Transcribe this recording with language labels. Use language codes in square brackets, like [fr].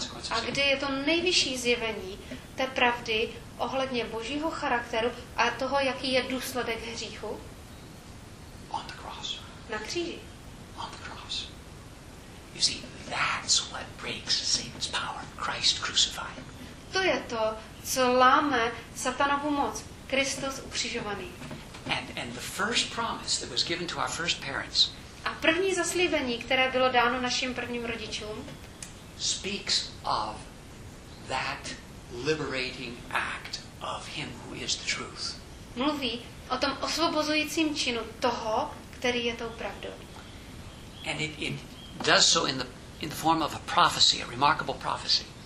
[cs] A kde je to nejvyšší zjevení té pravdy ohledně Božího charakteru a toho, jaký je důsledek hříchu? [en] On the cross. [cs] Na kříži. [en] On the cross. You see, that's what breaks Satan's power, Christ crucified. [cs] To je to, co láme satanovu moc. Kristus ukřižovaný. [en] And the first promise that was given to our first parents. [cs] A první zaslíbení, které bylo dáno našim prvním rodičům, [en] speaks of that liberating act of him who is the truth. [cs] Mluví o tom osvobozujícím činu toho, který je tou pravdou. [en] And it does so in the form of a prophecy, a remarkable prophecy.